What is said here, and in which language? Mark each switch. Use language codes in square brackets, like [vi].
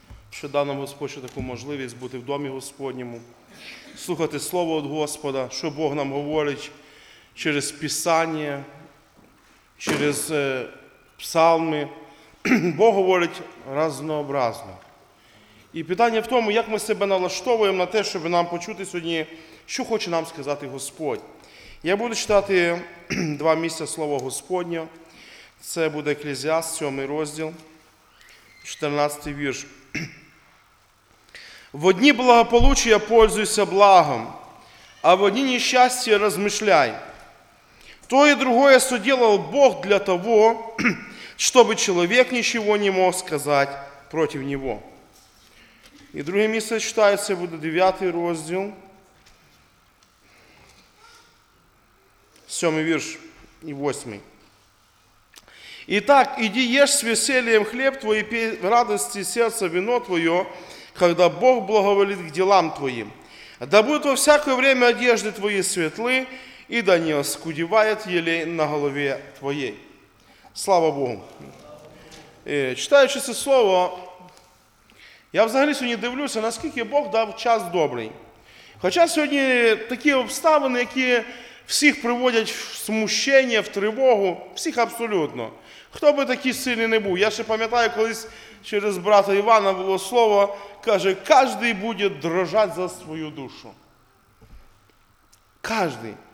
[uk] Що дав нам Господь таку можливість бути в Домі Господньому, слухати Слово від Господа, що Бог нам говорить через Писання, через псалми. Бог говорить разнообразно. І питання в тому, як ми себе налаштовуємо на те, щоб нам почути сьогодні, що хоче нам сказати Господь. Я буду читати два місця Слова Господнього. Це буде Екклезіаст, 7 розділ, 14 вірш. «В одні благополуччя пользуйся благом, а в одні нещастя розмишляй. То і другое соділав Бог для того, щоб чоловік нічого не мог сказати проти нього». І друге місце читаю, це буде 9 розділ, 7 вірш і 8. [ru] «Итак, иди ешь с весельем хлеб твой, пей в радости сердца вино твое, когда Бог благоволит к делам твоим. Да будут во всякое время одежды твои светлы, и да не оскудевает елей на голове твоей». [uk] Слава Богу! Читаючи це слово, я взагалі сьогодні дивлюся, наскільки Бог дав час добрий. Хоча сьогодні такі обставини, які всіх приводять в смущення, в тривогу, всіх абсолютно. Хто би такий сильний не був? Я ще пам'ятаю, колись через брата Івана було слово, каже, кожний буде дрожати за свою душу. Кожний.